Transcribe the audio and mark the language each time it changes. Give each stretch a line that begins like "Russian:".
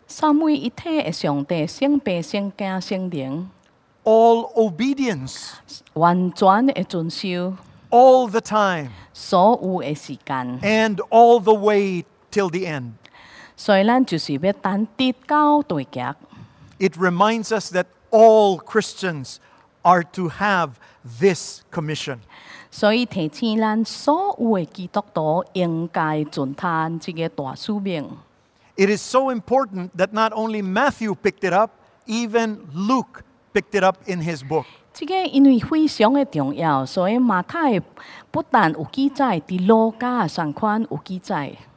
Min Nan Chinese: 三位一体的上帝，圣父、圣子、圣灵。
English: All obedience，
Min Nan Chinese: 完全的遵守。
English: All the time，
Min Nan Chinese: 所有的时间。
English: And all the way till the end。
Min Nan Chinese: 所以咱就是要等直到地极。
English: It reminds us that all Christians are to have this commission.
Min Nan Chinese: 所以提醒咱所有的基督徒应该遵行这个大使命。
English: It is so important that not only Matthew picked it up, even Luke picked it up in his book.
Min Nan Chinese: 这个因为非常的重要，所以马太不但有记载，在路加上款有记载。